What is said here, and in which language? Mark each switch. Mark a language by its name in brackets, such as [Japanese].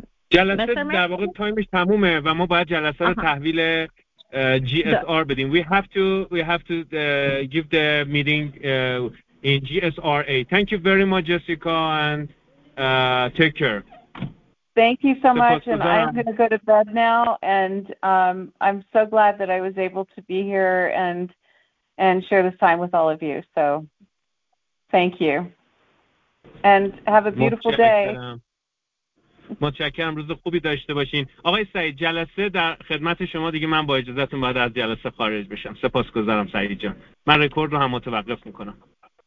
[Persian] جلسه در واقع تایمش تمومه و ما باید جلسه رو تحویل GSR بدیم. [English] We have to give the meeting in GSRA. Thank you very much, Jessica, and take care. Thank you so much, and I'm going to go to bed now, and I'm so glad that I was able to be here and share this time with all of you, so thank you, and have a beautiful day. [Persian] متشکرم، روز خوبی داشته باشین. آقای سعید، جلسه در خدمت شما دیگه، من با اجازتون باید از جلسه خارج بشم. سپاسگزارم سعید جان، من رکورد رو هم متوقف میکنم.